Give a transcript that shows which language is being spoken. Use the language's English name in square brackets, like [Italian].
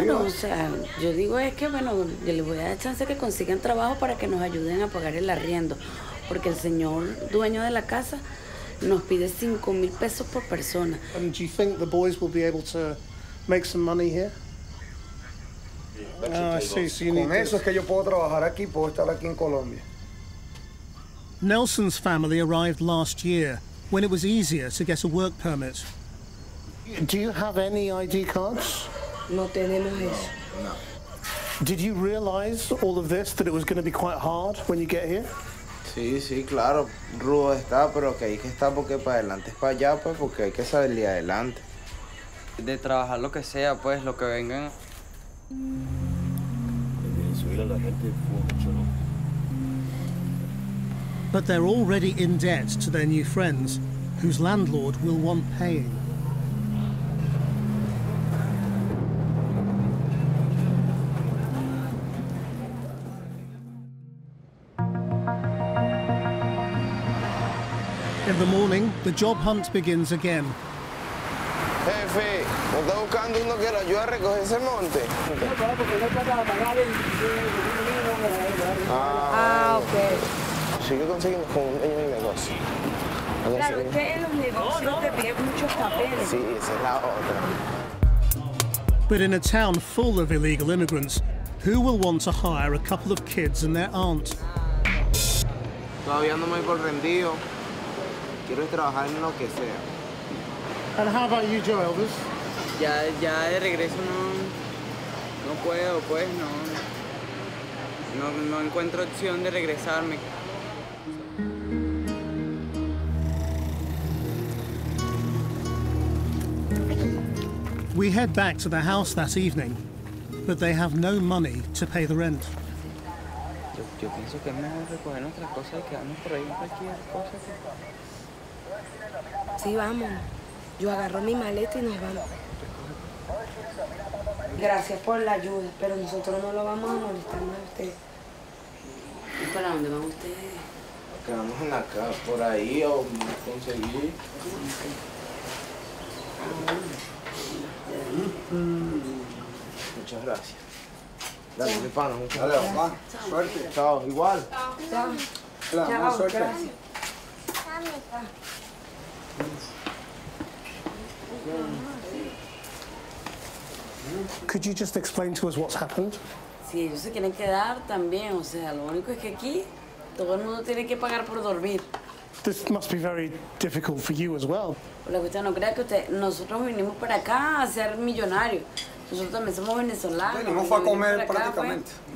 [Spanish] Sí, o sea, yo digo es que, bueno, yo les voy a dar chance que consigan trabajo para que nos ayuden a pagar el arriendo. Porque el señor dueño de la casa nos pide 5,000 pesos por persona. [English] And do you think the boys will be able to make some money here? [Spanish] Ah, sí, sí. Con eso es que yo puedo trabajar aquí, puedo estar aquí en Colombia. [English] Nelson's family arrived last year when it was easier to get a work permit. Do you have any ID cards? [Spanish] No tenemos eso. No. [English] Did you realize all of this, that it was going to be quite hard when you get here? [Spanish] Sí, sí, claro. Rudo está, pero que hay que estar porque para adelante es para allá, pues, porque hay que salir adelante. De trabajar lo que sea, pues, lo que vengan. [English] But they're already in debt to their new friends, whose landlord will want paying. In the morning, the job hunt begins again. [Spanish] Jefe, me está buscando uno que le ayude a recoger ese monte. Ah, ok. Sí, que conseguimos con un dueño de negocio. Claro, es que en los negocios te piden muchos papeles. Sí, esa es la otra. [English] But in a town full of illegal immigrants, who will want to hire a couple of kids and their aunt? [Spanish] Todavía no me voy por rendido. Quiero trabajar en lo que sea. [English] And how about you, Joe Elvis? [Spanish] ya de regreso no puedo, pues, no encuentro opción de regresarme. [English] We head back to the house that evening, but they have no money to pay the rent. [Spanish] Yo pienso que es mejor recoger otra cosa y quedarnos por ahí en cualquier cosa. Sí, vamos. Yo agarro mi maleta y nos vamos. Gracias por la ayuda, pero nosotros no lo vamos a molestar más a ustedes. ¿Y para dónde van ustedes? Quedamos en la casa, por ahí o conseguir. Muchas gracias. Dale, mi pana. Dale, mamá. Suerte. Chao, igual. Chao. Chao, más suerte. [English] Could you just explain to us what's happened? [Spanish] Sí, ellos se quieren quedar también. O sea, lo único es que aquí todo el mundo tiene que pagar por dormir. [English] This must be very difficult for you as well. [Spanish] La cuestión no crea que usted, nosotros vinimos para acá a ser millonarios. Nosotros también somos venezolanos. Bueno, no fue a comer prácticamente, acá, pues.